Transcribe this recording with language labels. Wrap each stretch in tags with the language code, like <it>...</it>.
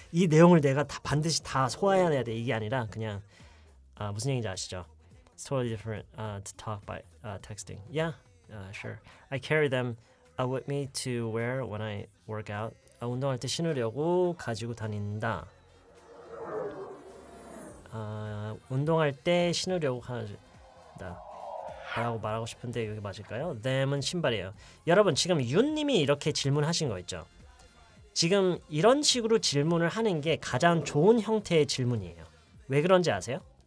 <ko>이 내용을 내가 다 반드시 다 소화해야 돼 이게 아니라 그냥 무슨 얘기인지 아시죠?</ko> <en>It's totally different to talk by texting. Yeah, sure. I carry them with me to wear when I work out.</en> <ko>운동할 때 신으려고 가지고 다닌다. 운동할 때 신으려고 한다라고 말하고 싶은데 이게 맞을까요? them은 신발이에요. 여러분 지금 윤님이 이렇게 질문하신 거 있죠? 지금 이런 식으로 질문을 하는 게 가장 좋은 형태의 질문이에요. 왜 그런지 아세요?</ko>